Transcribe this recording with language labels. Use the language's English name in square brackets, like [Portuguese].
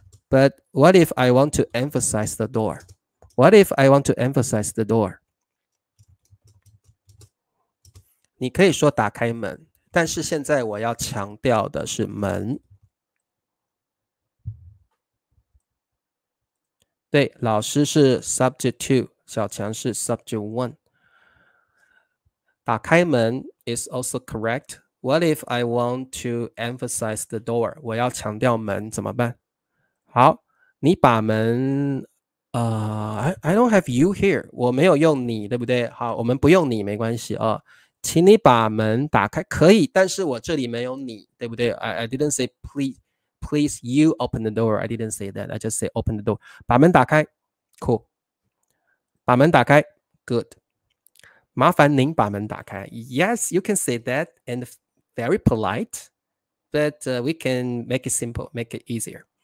[English] But what if I want to emphasize the door? What if I want to emphasize the door? [Chinese] 你可以说打开门，但是现在我要强调的是门。对，老师是 subject 2， 小强是 subject 1。打开门 [English] is also correct. What if I want to emphasize the door? [Chinese] 我要强调门怎么办？好，你把门 [English] I don't have you here. [Chinese] 我没有用你，对不对？好，我们不用你没关系啊。请你把门打开，可以，但是我这里没有你，对不对？ [English] I didn't say please you open the door. I didn't say that. I just say open the door. [Chinese] 把门打开 ， [English] cool. [Chinese] 把门打开 ， [English] good. [Chinese] 麻烦您把门打开。 [English] Yes, you can say that and very polite, but we can make it simple, make it easier.